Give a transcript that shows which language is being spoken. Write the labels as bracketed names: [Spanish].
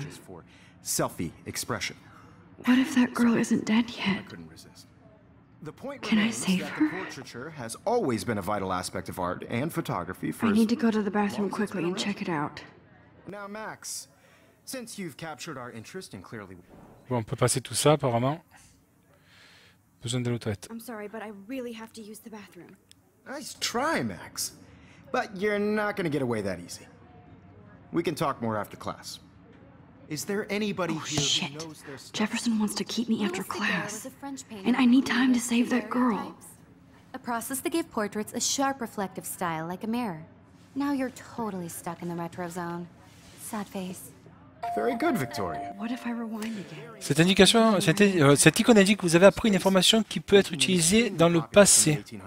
[English] For selfie expression. What if that girl isn't dead yet? I couldn't resist. The point can I save that her? The portraiture has always been a vital aspect of art and photography for I need to go to the bathroom quickly and check it out. Now, Max, since you've captured our interest and clearly. [French] Bon, on peut passer tout ça, apparemment. Besoin d'aller aux toilettes. [English] I'm sorry, but I really have to use the bathroom. Nice try, Max. But you're not gonna get away that easy. We can talk more after class. Is there anybody oh, here shit. Who knows their stuff? Jefferson wants to keep me he after class. And I need time to save that girl. A process that gave portraits a sharp reflective style like a mirror. Now you're totally stuck in the retro zone. Sad face. Very good, Victoria. What if I rewind again? [French] Cette indication, cette icône indique que vous avez appris une information qui peut être utilisée dans le passé.